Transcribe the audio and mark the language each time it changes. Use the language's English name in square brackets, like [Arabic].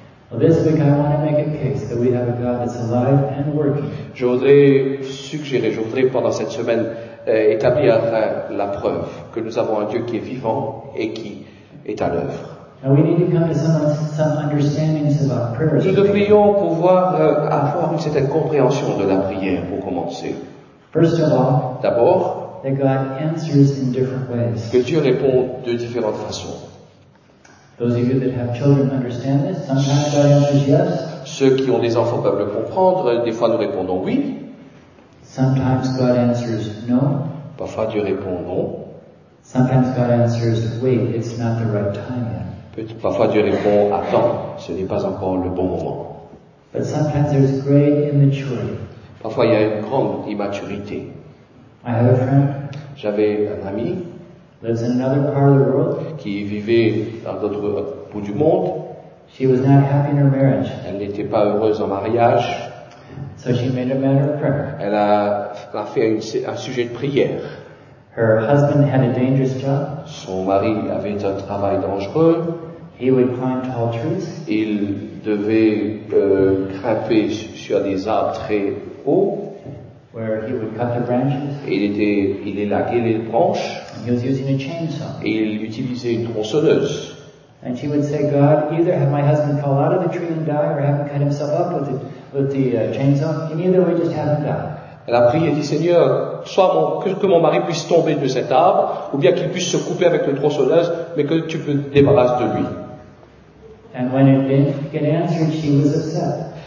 [English] Well, this week I want to make a case that we have a God that's alive and working. [French] Je voudrais pendant cette semaine établir la preuve que nous avons un Dieu qui est vivant et qui est à l'œuvre. [English] Now we need to come to some understandings about prayers. [French] Nous devrions pouvoir avoir une certaine compréhension de la prière pour commencer. [English] First of all, [French] d'abord, [English] that God answers in different ways. [French] Que Dieu répond de différentes façons. [English] Those of you that have children understand this. Sometimes God answers yes. [French] Ceux qui ont des enfants peuvent le comprendre. Des fois, nous répondons oui. [English] Sometimes God answers no. [French] Parfois, Dieu répond non. [English] Sometimes God answers wait, it's not the right time yet. [French] Parfois, Dieu répond attends, ce n'est pas encore le bon moment. [English] But sometimes there's great immaturity. [French] Parfois, il y a une grande immaturité. [English] I have a friend. [French] J'avais un ami [English] lives in another part of the world. [French] Qui vivait dans l'autre bout du monde. [English] She was not happy in her marriage. [French] Elle n'était pas heureuse en mariage. [English] So she made a matter of prayer. [French] Elle a fait un sujet de prière. [English] Her husband had a dangerous job. [French] Son mari avait un travail dangereux. [English] He would climb tall trees. [French] Il devait grimper sur des arbres très hauts. [English] Where he would cut the branches. [French] Il élaguait les branches. [English] And he was using a chainsaw. [French] Et il utilisait une tronçonneuse. [English] And she would say, God, either have my husband fall out of the tree and die, or have him cut himself up with the chainsaw. In either way, just have him die. [French] Elle a prié et dit, Seigneur, soit que mon mari puisse tomber de cet arbre, ou bien qu'il puisse se couper avec le tronçonneuse, mais que tu te débarrasses de lui. [English] And when it didn't get answered, she was upset.